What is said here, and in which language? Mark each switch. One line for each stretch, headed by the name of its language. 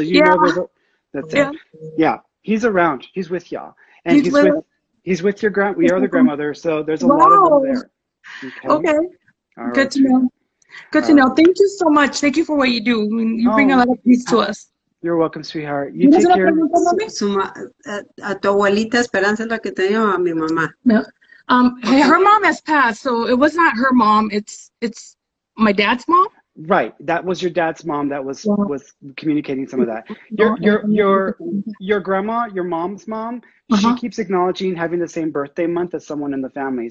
English: So you know there's a, that's it. Yeah. He's around. He's with y'all. And he's with your grand. We are the grandmother. So there's a lot of them there. Okay. Good to know. Good to know. Thank you so much. Thank you for what you do. I mean, you bring a lot of peace to us. You're welcome, sweetheart. You take care.
Spanish: A tu abuelita Esperanza la que te dio a mi mamá.
English: Her mom has passed, so it was not her mom. It's my dad's mom. Right, that was your dad's mom that was was communicating some of that. Your grandma, your mom's mom, she keeps acknowledging having the same birthday month as someone in the family.